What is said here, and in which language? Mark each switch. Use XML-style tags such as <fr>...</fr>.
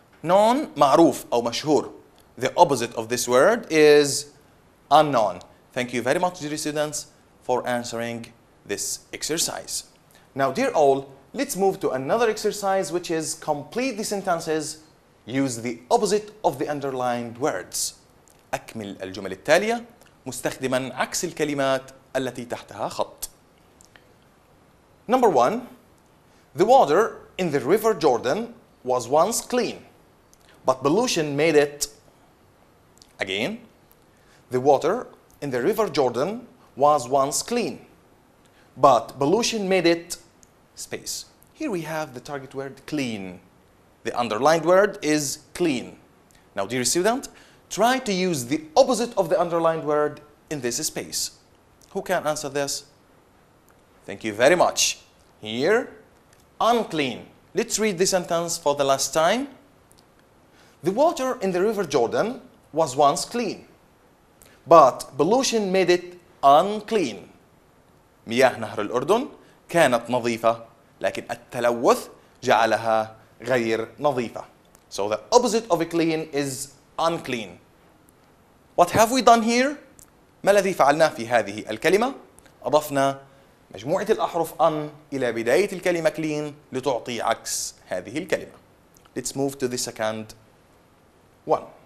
<ar>Known, معروف أو مشهور.</ar> <en>The opposite of this word is unknown. Thank you very much, dear students, for answering this exercise. Now, dear all, let's move to another exercise, which is complete the sentences. Use the opposite of the underlined words.</en> <ar>أكمل الجمل التالية مستخدما عكس الكلمات التي تحتها خط.</ar> <en>Number one, the water in the River Jordan was once clean, but pollution made it. Again, the water in the River Jordan was once clean, but pollution made it space. Here we have the target word clean. The underlined word is clean. Now, dear student, try to use the opposite of the underlined word in this space. Who can answer this? Thank you very much. Here, unclean. Let's read the sentence for the last time. The water in the River Jordan was once clean, but pollution made it unclean.</en> <ar>مياه نهر الأردن كانت نظيفة, لكن التلوث جعلها غير نظيفة.</ar> <en>So the opposite of clean is unclean. What have we done here?</en> <ar>ما الذي فعلناه في هذه الكلمة؟ أضفنا مجموعة الأحرف un إلى بداية الكلمة clean لتعطي عكس هذه الكلمة.</ar> <en>Let's move to the second one.</en>